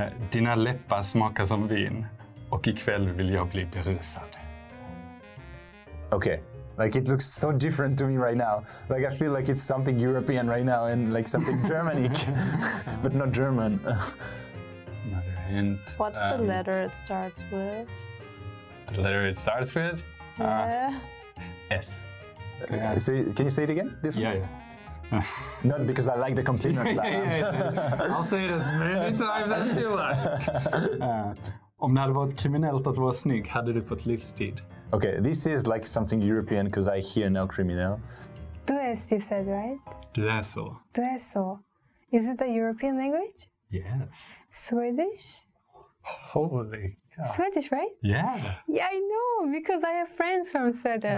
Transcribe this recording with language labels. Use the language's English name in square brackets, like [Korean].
[Swedish] Dina läppar smakar som vin och ikväll vill jag bli berusad. [English] Okay, like it looks so different to me right now. Like I feel like it's something European right now and like something Germanic, but not German. And, what's the letter it starts with? The letter it starts with? Yeah. S. Okay. So, can you say it again? This one? Yeah, yeah. Not because I like the compliment. Yeah. I'll say it as many times as you like. [Swedish] Om det hade varit kriminellt att vara snygg, hade du fått livstid. [English] Okay, this is like something European because I hear no criminal. [Swedish] Du är så, [English] you said, right? [Swedish] Du är så. Du är så. [English] Is it a European language? Yes. Swedish? Holy cow. Swedish, right? Yeah. Yeah, I know, because I have friends from Sweden.